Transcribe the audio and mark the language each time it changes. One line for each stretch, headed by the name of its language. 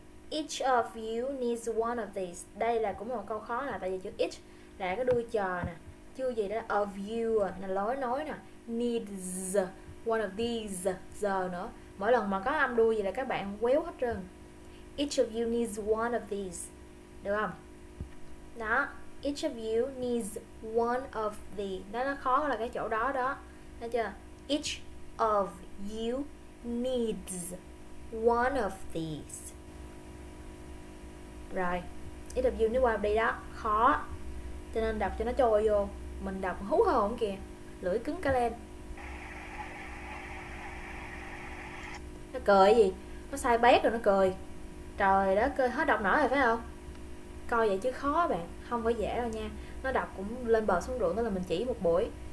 English: Each of you needs one of these.
Vietnamese: Đây là cũng một câu khó nè. Tại vì chữ each là cái đuôi chờ nè. Chưa gì đó là
English: of you
Vietnamese: là lối nói nè.
English: Needs one of these
Vietnamese: giờ nữa. Mỗi lần mà có âm đuôi gì là các bạn quéo hết trơn.
English: Each of you needs one of these.
Vietnamese: Được không? Đó,
English: each of you needs one of the.
Vietnamese: Đó, nó khó là cái chỗ đó đó. Thấy chưa?
English: Each of you needs one of these.
Vietnamese: Rồi,
English: each of you
Vietnamese: nếu qua đi đó, khó. Cho nên đọc cho nó trôi vô. Mình đọc hú hồn kìa. Lưỡi cứng cả lên. Nó cười gì? Nó sai bét rồi nó cười. Trời đó, cười hết đọc nổi rồi phải không? Coi vậy chứ khó bạn. Không có dễ đâu nha. Nó đọc cũng lên bờ xuống ruộng. Đó là mình chỉ một buổi,